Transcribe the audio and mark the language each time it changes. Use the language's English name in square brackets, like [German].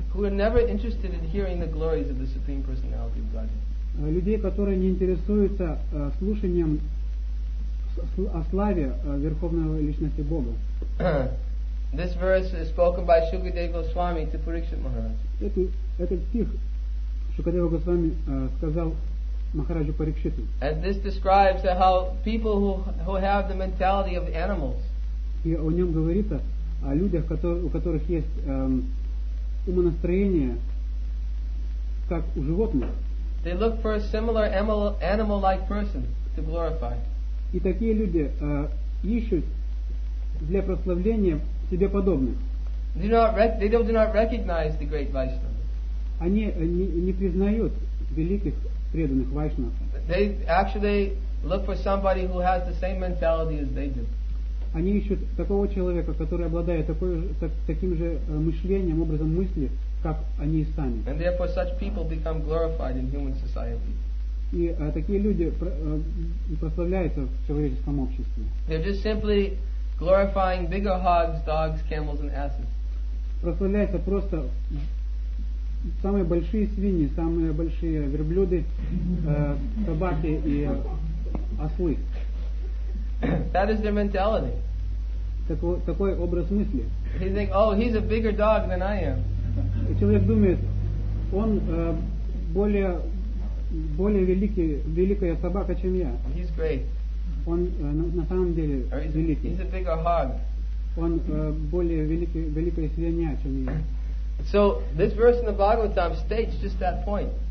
[English] Who are never interested in hearing the glories of the Supreme Personality of Godhead. [Russian] Людей, которые не интересуются слушанием о славе верховной личности Бога. [English] This verse is spoken by Shukadeva Goswami to Parikshit Maharaj. [Russian] Этот стих Шукадева Госвами сказал Махараджу Парикшиту. [English] And this describes how people who have the mentality of animals. [Russian] И о нем говорится о людях, у которых есть умонастроение как у животных. [English] They look for a similar animal-like person to glorify. [Russian] И такие люди ищут для прославления себе подобных. [English] They do not recognize the great Vaishnava. [Russian] Они не признают великих преданных вайшнав. [English] They actually look for somebody who has the same mentality as they do. [Russian] Они ищут такого человека, который обладает таким же мышлением, образом мысли, как они и сами. [English] And therefore such people become glorified in human society. [Russian] И такие люди прославляются в человеческом обществе. [English] They're just simply glorifying bigger hogs, dogs, camels, and asses. [Russian] Прославляются просто самые большие свиньи, самые большие верблюды, собаки и ослы. [English] That is their mentality. [Russian] Такой образ мысли. [English] They think, oh, he's a bigger dog than I am. [Russian] И человек думает, он более великая собака, чем я. [English] He's great. [Russian] Он на самом деле великий. [English] He's a bigger hog. [Russian] Он более великая свинья, чем я. [English] So this verse in the Bhagavatam states just that point.